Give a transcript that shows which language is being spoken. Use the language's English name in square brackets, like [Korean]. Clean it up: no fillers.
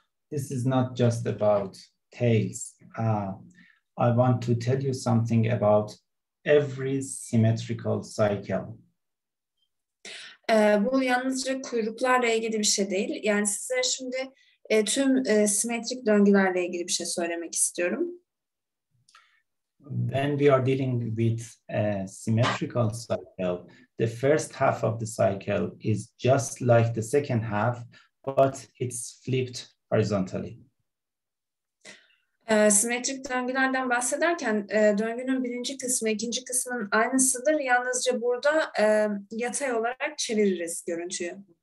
[English] This is not just about tails. I want to tell you something about every symmetrical cycle. [Turkish] Bu yalnızca kuyruklarla ilgili bir şey değil. Yani size şimdi tüm simetrik döngülerle ilgili bir şey söylemek istiyorum. [English] When we are dealing with a symmetrical cycle, the first half of the cycle is just like the second half, but it's flipped horizontally. [Turkish] Simetrik döngülerden bahsederken döngünün birinci kısmı, ikinci kısmının aynısıdır. Yalnızca burada yatay olarak çeviririz görüntüyü.